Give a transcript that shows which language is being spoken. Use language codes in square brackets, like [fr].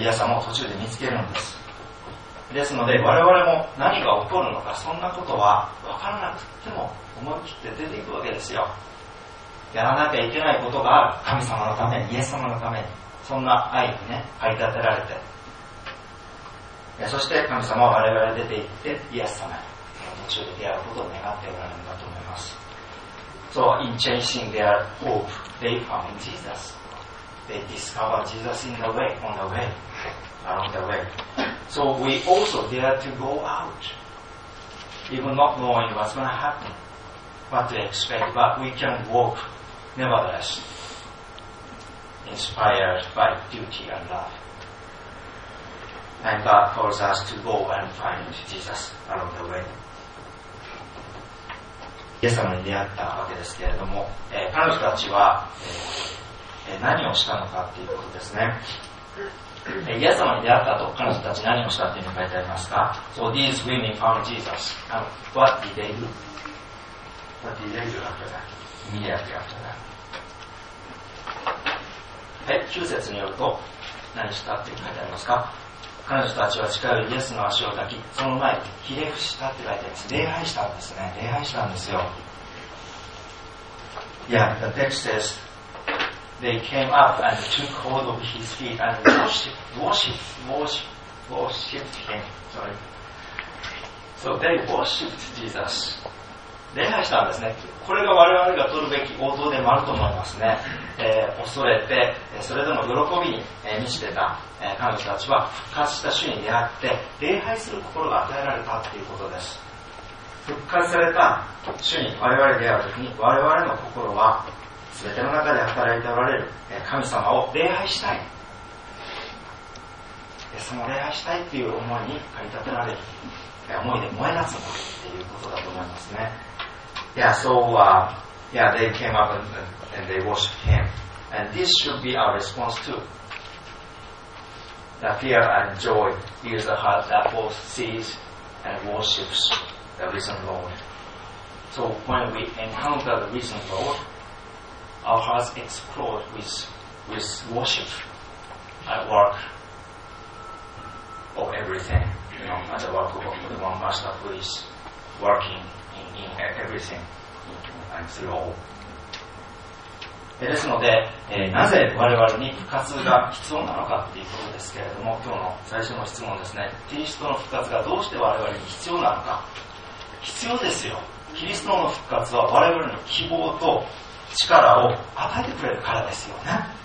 [ja] イエス様を途中で見つけるんです。ですので我々も何が起こるのか、そんなことは分からなくても思い切って出ていくわけですよ。やらなきゃいけないことがある。神様のために、イエス様のために、そんな愛にね、駆り立てられて、そして神様は我々出て行って、イエス様にその途中で出会うことを願っておられるんだと思います。 [en] So in chasing their hope they found JesusThey discover Jesus in the way, on the way, along the way. So we also dare to go out, even not knowing what's going to happen, what to expect, but we can walk nevertheless, inspired by duty and love. And God calls us to go and find Jesus along the way. [ja] イエス様に出会ったわけですけれども、彼女たちは、何をしたのかということですね。イエス様に出会ったと彼女たち何をしたというのが書いてありますか。 [en] So these women found Jesus. And what did they do? What did they do after that? Immediately after that. [ja] 9節によると何したというのが書いてありますか。彼女たちは近寄りイエスの足を抱き、その前にひれ伏したって書いてあります。礼拝したんですね。礼拝したんですよ。 [en] Yeah, the text says,They came up and took hold of his feet and worshipped him. Sorry. So they worshipped Jesus. [ja] 礼拝したんですね。これが我々が取るべき応答でもあると思いますね。恐れて、それでも喜びに満ちてた彼女たちは復活した主に出会って礼拝する心が与えられたということです。復活された主に我々出会うときに、我々の心は全ての中で働いておられる神様を礼拝したい、その礼拝したいという思いに駆り立てられる、思いで燃え立つということだと思いますね。 [en] Yeah, so they came up and they worshipped him, and this should be our response too. The fear and joy is the heart that both sees and worships the risen Lord. So when we encounter the risen LordOur hearts explode with worship at work of everything, you know, at the work of the one master who is working in everything and through all. [ja] ですので、なぜ我々に復活が必要なのかということですけれども、今日の最初の質問ですね。キリストの復活がどうして我々に必要なのか。必要ですよ。キリストの復活は我々の希望と力を与えてくれるからですよね。